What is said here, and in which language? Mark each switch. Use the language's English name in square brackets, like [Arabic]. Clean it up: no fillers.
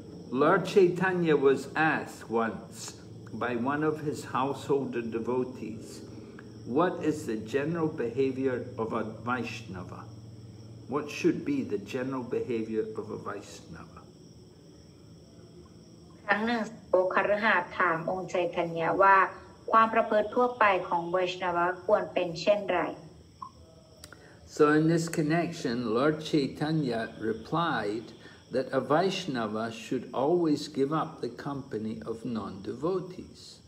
[English] Lord Chaitanya was asked once by one of his householder devotees,What is the general behavior of a Vaishnava? What should be the general behavior of a Vaishnava? [Thai] ครั้งหนึ่งโอคารหะถามองค์ไชตัญญะว่าความประพฤติทั่วไปของไวชนวะควรเป็นเช่นไร [English] So in this connection, Lord Chaitanya replied that a Vaishnava should always give up the company of non-devotees.